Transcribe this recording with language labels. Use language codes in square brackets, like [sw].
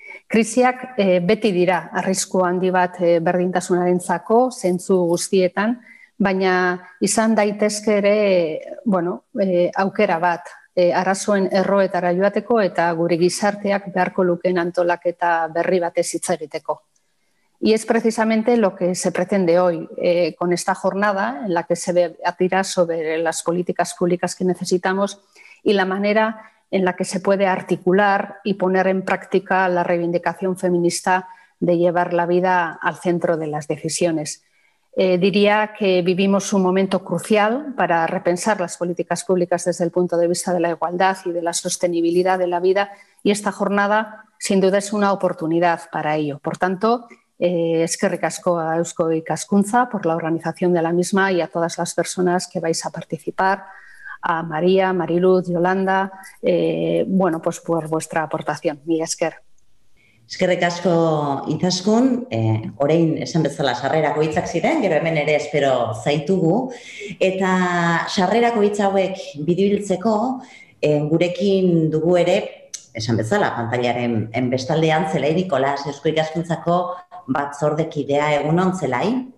[eu] Krisiak beti dira arrisku handi bat berdintasunarentzako zentzu guztietan, baina izan daitezke ere bueno, aukera bat, arazoen erroetara joateko eta gure gizarteak beharko lukeen antolaketa berri batez hitz egiteko. [es] Y es precisamente lo que se pretende hoy con esta jornada en la que se debatirá sobre las políticas públicas que necesitamos y la manera en la que se puede articular y poner en práctica la reivindicación feminista de llevar la vida al centro de las decisiones. Diría que vivimos un momento crucial para repensar las políticas públicas desde el punto de vista de la igualdad y de la sostenibilidad de la vida y esta jornada sin duda es una oportunidad para ello. Por tanto, [eu] eskerrik asko [es] a Eusko Ikaskuntza por la organización de la misma y a todas las personas que vais a participar, a María, Mariluz, Yolanda, bueno, pues por vuestra aportación. [eu] Mila esker. Eskerrik asko Ikaskun, orain esan bezala sarrerako hitzak ziren, gero hemen ere espero zaitugu, eta sarrerako hitz hauek bidibiltzeko gurekin dugu ere, esan bezala, pantailaren enbestaldean, Zelai Nikolas, Eusko Ikaskuntzako batzordekidea, egunon, Zelai?